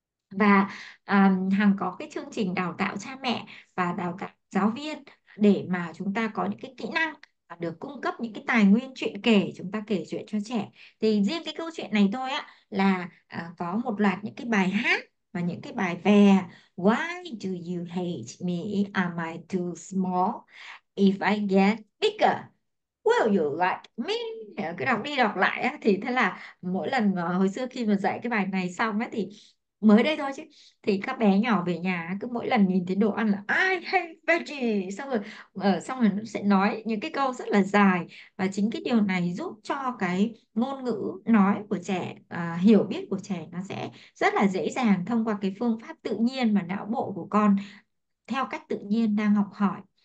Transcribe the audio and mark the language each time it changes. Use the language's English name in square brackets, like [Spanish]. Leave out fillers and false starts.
[Vietnamese] Và Hằng có cái chương trình đào tạo cha mẹ và đào tạo giáo viên để mà chúng ta có những cái kỹ năng và được cung cấp những cái tài nguyên chuyện kể, chúng ta kể chuyện cho trẻ. Thì riêng cái câu chuyện này thôi á là có một loạt những cái bài hát và những cái bài vè. [English] Why do you hate me? Am I too small? If I get bigger, will you like me? [Vietnamese] Cái đọc đi đọc lại á, thì thế là mỗi lần mà hồi xưa khi mà dạy cái bài này xong á, thì mới đây thôi chứ, thì các bé nhỏ về nhà cứ mỗi lần nhìn thấy đồ ăn là ai hay veggie, xong rồi nó sẽ nói những cái câu rất là dài. Và chính cái điều này giúp cho cái ngôn ngữ nói của trẻ, hiểu biết của trẻ nó sẽ rất là dễ dàng thông qua cái phương pháp tự nhiên mà não bộ của con theo cách tự nhiên đang học hỏi.